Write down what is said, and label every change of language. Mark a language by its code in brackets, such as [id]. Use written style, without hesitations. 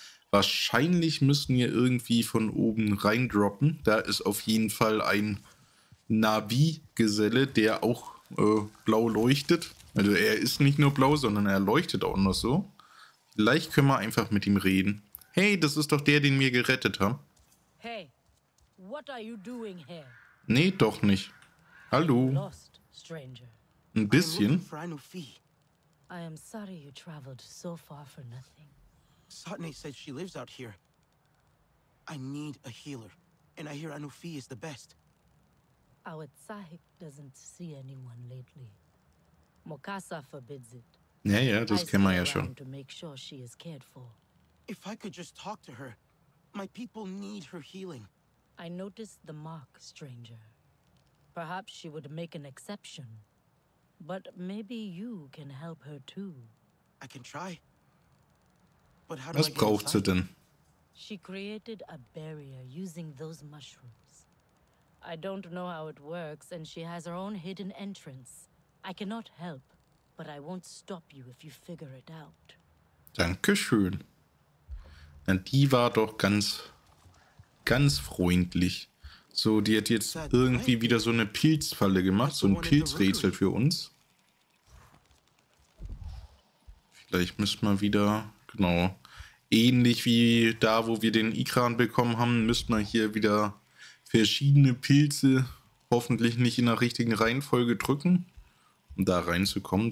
[de] Wahrscheinlich müssen wir irgendwie von oben reindroppen. Da ist auf jeden Fall ein Navi-Geselle, der auch blau leuchtet. Also er ist nicht nur blau, sondern er leuchtet auch noch so. Vielleicht können wir einfach mit ihm reden. Hey, das ist doch der, den wir gerettet haben. [en] Hey, what are you doing here? [de] Nee, doch nicht. Hallo. [en] Lost, stranger. [de] Ein bisschen. [en] I am sorry you traveled so far for nothing. Satne said she lives out here. I need a healer, and I hear Anufi is the best. Our Tsahik doesn't see anyone lately. Mokasa forbids it. Ja, das kennen wir ja schon. To make sure she is cared for. If I could just talk to her, my people need her healing. I noticed the mark, stranger. Perhaps she would make an exception. But maybe you can help her too. I can try. But how [de] was braucht sie denn? [en] She created a barrier using those mushrooms. I don't know how it works, and she has her own hidden entrance. I cannot help, but I won't stop you if you figure it out. [de] Dankeschön. Und die war doch ganz, ganz freundlich. So, die hat jetzt irgendwie wieder so eine Pilzfalle gemacht, so ein Pilzrätsel für uns. Vielleicht müssen wir wieder. Genau. Ähnlich wie da, wo wir den Ikran bekommen haben, müssten wir hier wieder verschiedene Pilze hoffentlich nicht in der richtigen Reihenfolge drücken, um da reinzukommen.